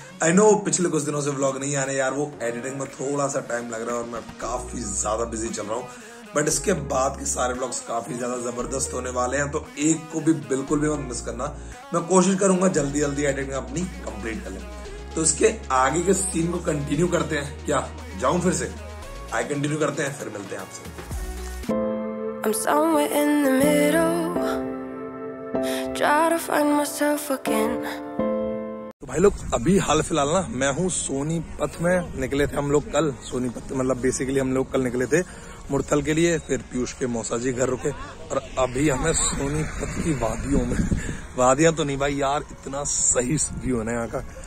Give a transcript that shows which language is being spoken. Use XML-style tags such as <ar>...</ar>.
<en>I know</en> <hi>पिछले कुछ दिनों से ब्लॉग नहीं आने यार, वो एडिटिंग में थोड़ा सा टाइम लग रहा है और मैं काफी ज्यादा बिजी चल रहा हूँ, बट इसके बाद के सारे ब्लॉग्स काफी ज्यादा जबरदस्त होने वाले हैं, तो एक को भी बिल्कुल भी मत मिस करना। मैं कोशिश करूंगा जल्दी जल्दी एडिटिंग अपनी कंप्लीट कर ले। तो इसके आगे के सीन को कंटिन्यू करते हैं, क्या जाऊं फिर से? आई कंटिन्यू करते हैं, फिर मिलते हैं आपसे।</hi> <en>I'm somewhere in the middle, try to find myself again.</en> <hi>भाई लोग अभी हाल फिलहाल ना मैं हूँ सोनीपत में, निकले थे हम लोग कल सोनीपत, मतलब बेसिकली हम लोग कल निकले थे मुरथल के लिए, फिर पीयूष के मौसा जी घर रुके और अभी हमें सोनीपत की वादियों में, वादियां तो नहीं भाई यार, इतना सही व्यू है यहाँ का।</hi>